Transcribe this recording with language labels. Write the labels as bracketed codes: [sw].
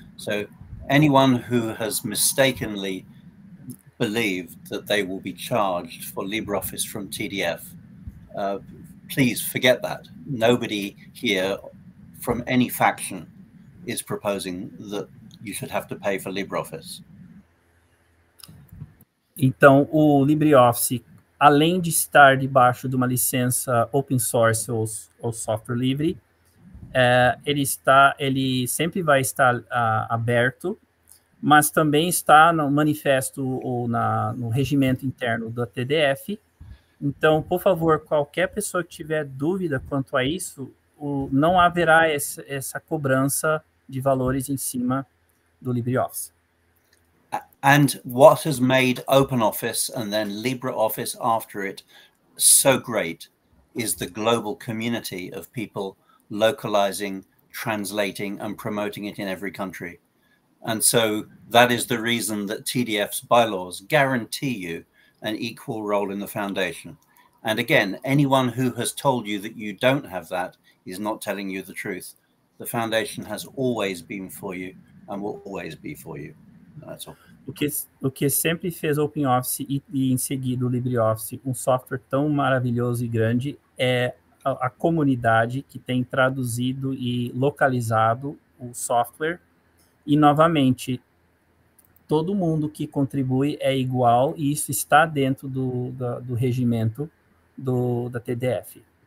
[en] So anyone who has mistakenly believed that they will be charged for LibreOffice from TDF, please forget that. Nobody here from any faction is proposing that you should have to pay for LibreOffice. [pt] Então, o LibreOffice, além de estar debaixo de uma licença open source ou software livre, ele sempre vai estar aberto, mas também está no manifesto ou no regimento interno da TDF. Então, por favor, qualquer pessoa que tiver dúvida quanto a isso, não haverá essa cobrança de valores em cima do LibreOffice. [en] And what has made OpenOffice and then LibreOffice after it so great is the global community of people localizing, translating, and promoting it in every country. And so that is the reason that TDF's bylaws guarantee you an equal role in the foundation. And again, anyone who has told you that you don't have that is not telling you the truth. The foundation has always been for you and will always be for you. That's all. [pt] O que sempre fez OpenOffice e em seguida o LibreOffice um software tão maravilhoso e grande é a comunidade que tem traduzido e localizado o software. E, novamente, todo mundo que contribui é igual e isso está dentro do regimento da TDF.